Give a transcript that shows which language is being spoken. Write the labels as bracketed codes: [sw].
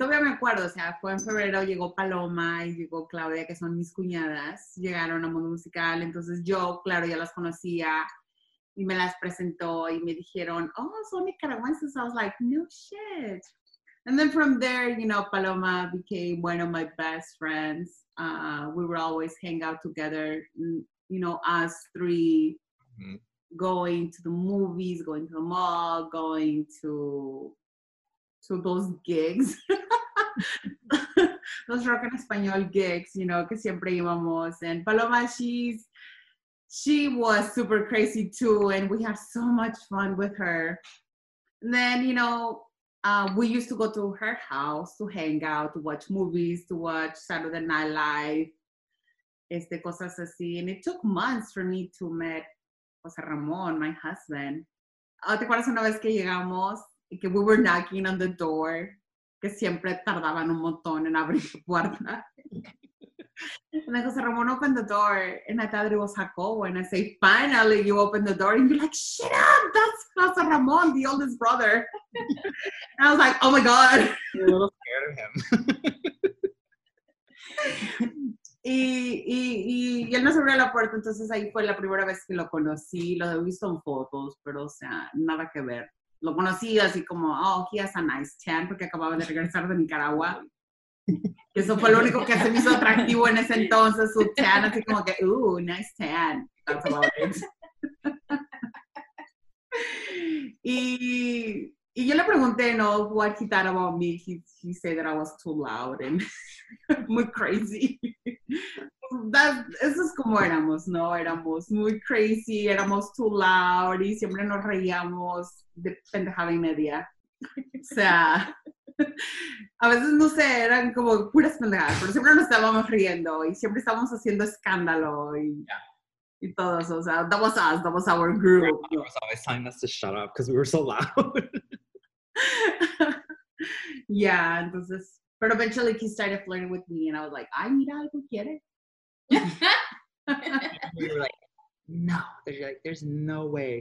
[es] Todavía me acuerdo, o sea, fue en febrero, llegó Paloma y llegó Claudia, que son mis cuñadas. Llegaron a Mundo Musical, entonces yo, claro, ya las conocía y me las presentó y me dijeron, oh, son nicaragüenses. [en] I was like, no shit. And then from there, you know, Paloma became one of my best friends. We were always hang out together, you know, us three, mm-hmm. going to the movies, going to the mall, going to those gigs, those rock and español gigs, you know, [es] que siempre íbamos. [en] And Paloma, she was super crazy too, and we had so much fun with her. And then, you know, we used to go to her house to hang out, to watch movies, to watch Saturday Night Live. [es] este, cosas así. [en] And it took months for me to meet José Ramón, my husband. [es] ¿Te acuerdas una vez que llegamos? Que [en] we were knocking on the door. [es] Que siempre tardaban un montón en abrir la puerta. [en] And then José Ramón opened the door. And I thought it was Jacobo. And I say, finally, you opened the door. And you're like, shut up, that's José Ramón, the oldest brother. And I was like, oh my God. You're a little scared of him. [es] Y él nos abrió la puerta, entonces ahí fue la primera vez que lo conocí. Lo he visto en fotos, pero, o sea, nada que ver. Lo conocí así como, oh, [en] he has a nice tan, [es] porque acababa de regresar de Nicaragua. Eso fue lo único que se me hizo atractivo en ese entonces, su tan, así como que, ooh, nice tan. [en] That's about it. [es] Y yo le pregunté, no, [en] what he thought about me. He said that I was too loud and muy crazy. [es] Eso es como éramos, ¿no? Éramos muy crazy, éramos [en] too loud [es] y siempre nos reíamos de pendejada y media. O sea, a veces no sé, eran como puras pendejadas, pero siempre nos estábamos riendo y siempre estábamos haciendo escándalo y... [en] Yeah. [es] Y todos, o sea, [en] that was us, that was our group. My mom was always telling us to shut up because we were so loud. Yeah, entonces, but eventually he started flirting with me and I was like, [es] ¿Ay, mira, algo quiere? [en] We were like, no. They're like, there's no way.